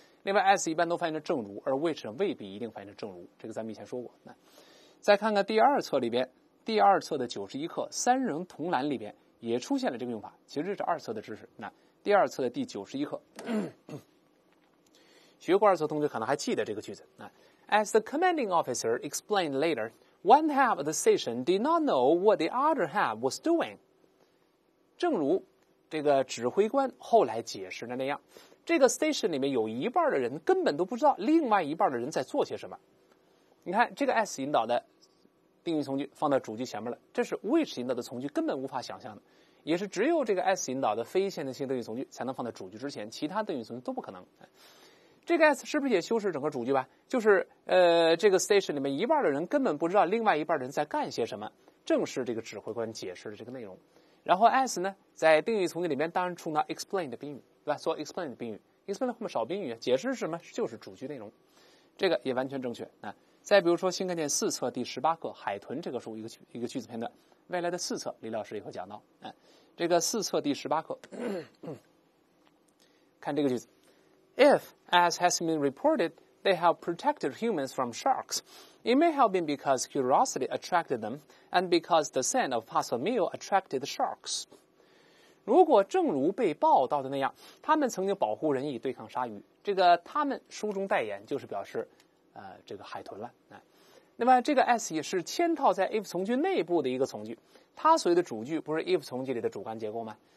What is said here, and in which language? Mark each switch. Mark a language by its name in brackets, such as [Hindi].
[Chinese] 另外 as 一般都翻译成正如，而 which 未必一定翻译成正如，这个咱们以前说过。再看看第二册里边，第二册的91课三人同栏里边也出现了这个用法，其实这是二册的知识。那第二册的第91课学过二册同学可能还记得这个句子。 [English] As the commanding officer explained later, one half of the station did not know what the other half was doing. [Chinese] 正如这个指挥官后来解释的那样，这个 station 里面有一半的人根本都不知道另外一半的人在做些什么。你看这个 S 引导的定语从句放到主句前面了，这是 which 引导的从句根本无法想象的，也是只有这个 S 引导的非限定性定语从句才能放在主句之前，其他定语从句都不可能。这个 S 是不是也修饰整个主句吧，就是这个 station 里面一半的人根本不知道另外一半的人在干些什么，正是这个指挥官解释的这个内容。然后 S 呢在定语从句里面当然充当 explain 的宾语，对吧，做 explain 的宾语， explain 后面少宾语，解释是什么，就是主句内容，这个也完全正确啊。再比如说新概念四册第十八课海豚这个书一个句子片段，未来的四册李老师也会讲到啊。这个四册第十八课看这个句子， [English] If as has been reported they have protected humans from sharks, it may have been because curiosity attracted them and because the scent of possible meal attracted the sharks. [Chinese] 如果正如被报道的那样，他们曾经保护人以对抗鲨鱼，这个他们书中代言就是表示这个海豚了。那么这个 S 也是嵌套在 if 从句内部的一个从句，它所谓的主句不是 if 从句里的主干结构吗？